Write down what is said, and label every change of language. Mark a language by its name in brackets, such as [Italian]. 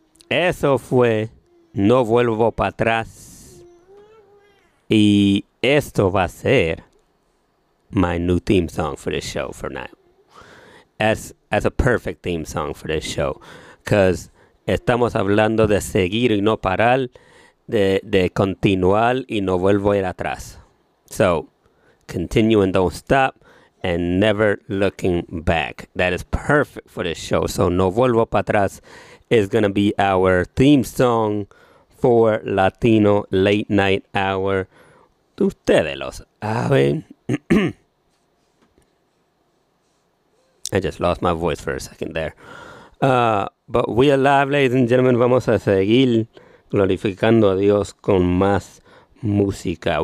[Spanish] Eso fue... No vuelvo para atrás. Y esto va a ser [English] my new theme song for this show for now. As a perfect theme song for this show. Because [Spanish] estamos hablando de seguir y no parar. De continuar y no vuelvo a ir atrás. [English] So, continue and don't stop. And never looking back. That is perfect for this show. So, No vuelvo para atrás is going to be our theme song for Latino Late Night Hour. [Spanish] Ustedes lo saben. [English] I just lost my voice for a second there. But we are live, ladies and gentlemen. [Spanish] Vamos a seguir glorificando a Dios con más música.